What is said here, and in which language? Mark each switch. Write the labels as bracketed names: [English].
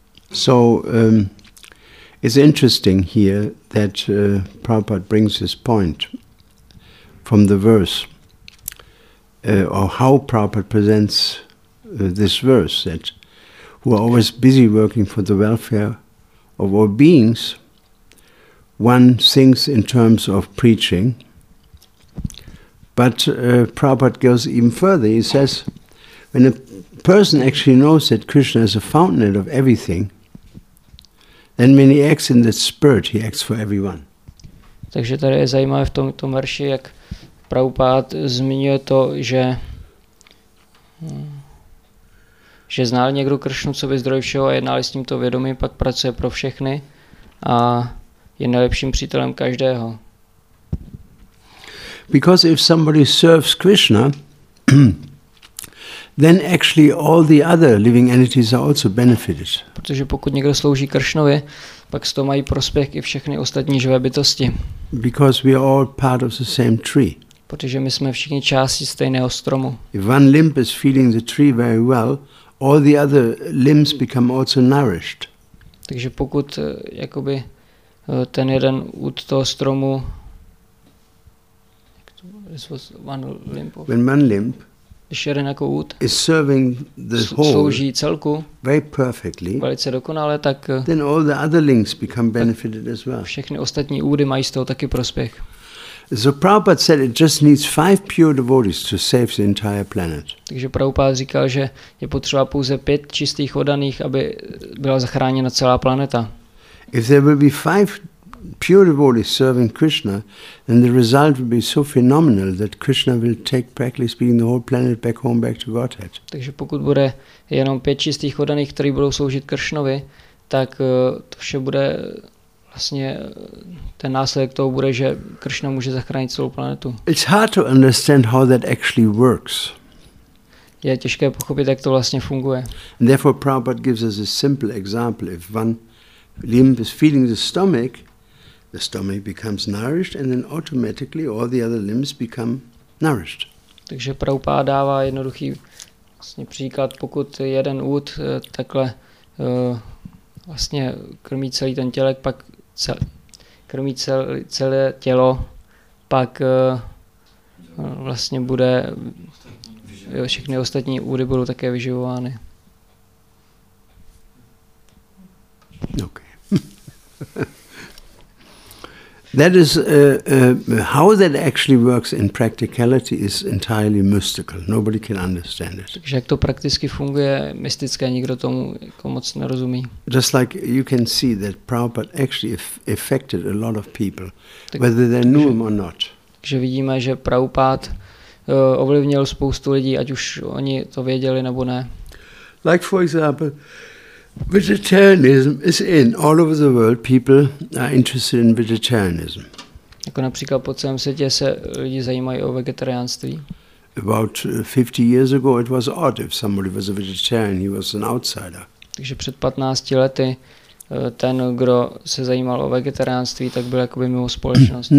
[English] So it's interesting here that Prabhupada brings this point from the verse, or how Prabhupada presents this verse, that who are always busy working for the welfare of all beings, one thinks in terms of preaching, but Prabhupada goes even further. He says, when a person actually knows that Krishna is a fountainhead of everything, then when he acts in that spirit, he acts for everyone. [Czech] Takže tady je zajímavé v tomto verši, jak Prabhupád zmiňuje to, že znal někdo Kršnu, co by zdroj všeho, a jednali s tímto vědomí, pak pracuje pro všechny a je nejlepším přítelem každého. [English] Because if somebody serves Krishna, then actually all the other living entities are also benefited. [Czech] Protože pokud někdo slouží Kršnovi, pak z toho mají prospěch i všechny ostatní živé bytosti. [English] Because we are all part of the same tree. [Czech] Protože my jsme všichni části stejného stromu. [English] If one limb is feeling the tree very well, all the other limbs become also nourished. [Czech] Takže pokud jakoby ten jeden od toho stromu, [English] this was one limb. When one limb is serving the whole very perfectly, [Czech] velice dokonale, tak [English] then all the other links become benefited as well. [Czech] Všechny ostatní údy mají z toho taky prospěch. [English] So Prabhupada said it just needs 5 pure devotees to save the entire planet. [Czech] Takže Prabhupada říkal, že je potřeba pouze 5 čistých oddaných, aby byla zachráněna celá planeta. [English] If there will be 5 pure devotees serving Krishna, then the result will be so phenomenal that Krishna will take practically speaking the whole planet back home, back to Godhead. [Czech] Takže pokud bude jenom 5 čistých oddaných, kteří budou sloužit Kršnovi, tak to vše bude vlastně ten následek toho bude, že Kršna může zachránit celou planetu. [English] It's hard to understand how that actually works. [Czech] Je těžké pochopit, jak to vlastně funguje. [English] And therefore Prabhupada gives us a simple example. If one limb is feeling the stomach, the stomach becomes nourished and then automatically all the other limbs become nourished. [Czech] Takže Prabhupada dává jednoduchý vlastně příklad, pokud jeden ud takhle vlastně krmí celý ten tělek, pak krmí celé tělo, pak vlastně bude všechny ostatní údy budou také vyživovány. [English] Okay. That is how that actually works in practicality is entirely mystical. Nobody can understand it. [Czech] Takže jak to prakticky funguje, mystické, nikdo tomu jako moc nerozumí. [English] Just like you can see that Prabhupada actually affected a lot of people, tak, whether they knew him or not. [Czech] Takže vidíme, že Prabhupada ovlivnil spoustu lidí, ať už oni to věděli nebo ne. [English] Like for example, vegetarianism is in all over the world. People are interested in vegetarianism. [Czech] Jako například po celém světě se lidi zajímají o vegetariánství. [English] About 50 years ago, it was odd if somebody was a vegetarian; he was an outsider. [Czech] Takže před 15 lety ten, kdo se zajímal o vegetariánství, tak byl jakoby mimo společnost.